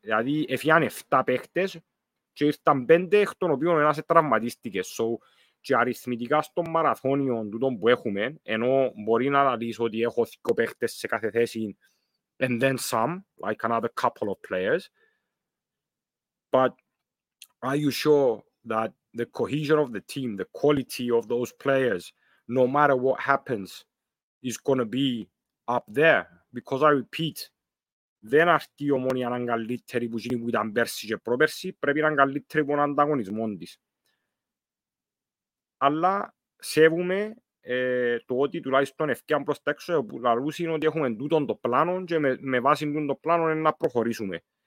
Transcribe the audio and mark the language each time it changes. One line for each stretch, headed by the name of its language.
Greek: Δηλαδή έφυγαν 7 παίχτες και ήρθαν 5 εκ των οποίων ένας τραυματίστηκε. Και αριθμητικά στον μαραθώνιο τούτον που έχουμε, ενώ μπορεί να λαλείς ότι έχω δύο παίχτες σε κάθε θέση
English: and then some, like another couple of players. But are you sure that the cohesion of the team, the quality of those players, no matter what happens, is going to be up there? Because I repeat,
Greek: δεν αρκεί η Ομόνοια να είναι καλύτερη που γίνει που ήταν πέρσι και προπέρσι, πρέπει να είναι καλύτερη από τον ανταγωνισμό της. Αλλά σέβουμε το ότι τουλάχιστον ευκαιρία προς τα έξω που λαλούσε είναι ότι έχουμε τούτον το πλάνο και με βάση τούτον το πλάνο είναι να προχωρήσουμε.